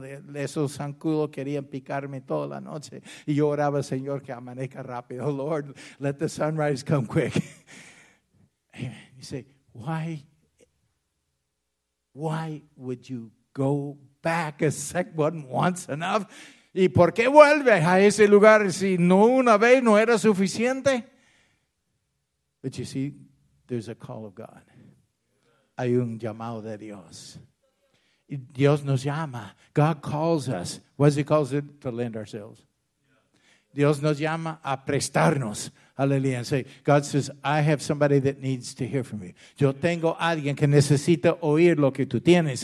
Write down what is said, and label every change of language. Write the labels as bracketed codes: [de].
[es] Esos zancudos querían picarme toda la noche. Y yo oraba, Señor, que amanezca rápido. [en] Oh, Lord, let the sunrise come quick. [es] Amen. [en] You say, Why would you go back a second once enough? [es] ¿Y por qué vuelves a ese lugar si no una vez no era suficiente? [en] But you see, there's a call of God. [es] Hay un llamado de Dios. Dios nos llama. [en] God calls us. What does he call it? To lend ourselves. [es] Dios nos llama a prestarnos. [en] Hallelujah. And say, God says, I have somebody that needs to hear from you. [es] Yo tengo alguien que necesita oír lo que tú tienes.